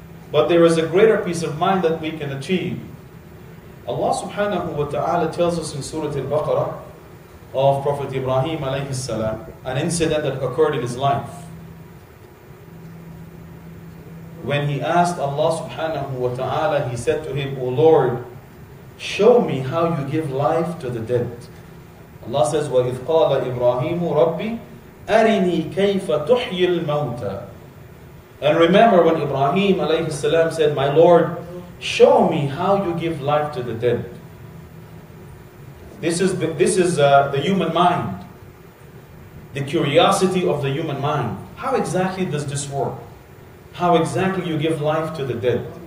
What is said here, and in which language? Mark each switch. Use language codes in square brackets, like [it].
[en] But there is a greater peace of mind that we can achieve. Allah subhanahu wa ta'ala tells us in Surah Al-Baqarah of Prophet Ibrahim alayhi salam, an incident that occurred in his life. When he asked Allah subhanahu wa ta'ala, he said to him, O Lord, show me how you give life to the dead. [ar] Allah says, وَإِذْ قَالَ إِبْرَاهِيمُ رَبِّ أَرِنِي كَيْفَ تُحْيِي الْمَوْتَى. [en] And remember when Ibrahim alayhi salam said, My Lord, show me how you give life to the dead. This is the human mind, the curiosity of the human mind. How exactly does this work? How exactly you give life to the dead?